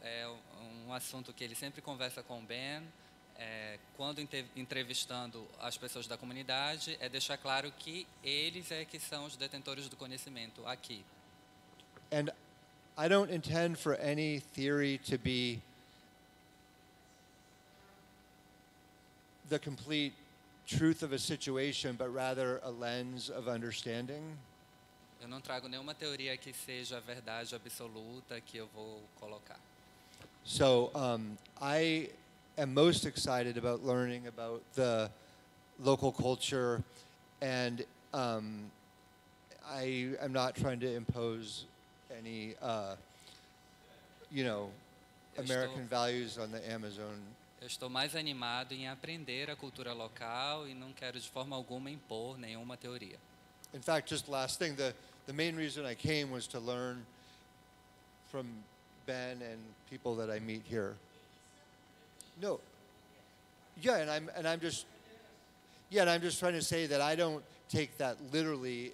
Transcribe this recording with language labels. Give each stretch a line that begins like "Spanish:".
Portuguese: É um assunto que ele sempre conversa com Ben. Quando entrevistando as pessoas da comunidade, é deixar claro que eles é que são os detentores do conhecimento aqui.
English: And I don't intend for any theory to be the complete truth of a situation, but rather a lens of understanding.
Portuguese: Eu não trago nenhuma teoria que seja a verdade absoluta que eu vou colocar.
English: So, I am most excited about learning about the local culture, and I am not trying to impose any, American values on the Amazon.
Portuguese: Eu estou mais animado em aprender a cultura local e não quero de forma alguma impor nenhuma teoria.
English: In fact, just last thing, the main reason I came was to learn from Ben and people that I meet here. No. Yeah, and I'm just trying to say that I don't take that literally.